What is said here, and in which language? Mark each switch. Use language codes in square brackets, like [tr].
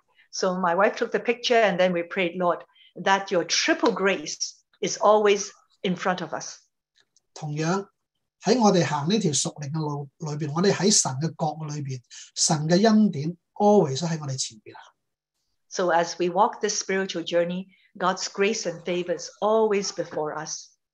[en] So my wife took the picture and then we prayed, Lord, that your triple grace is always in front of us. [zh] 同樣。在我们行这条属灵的路里面，我们在神的国里面，神的恩典 always 在我们前面。 [en] So as we walk this spiritual journey, God's grace and favor is always before us.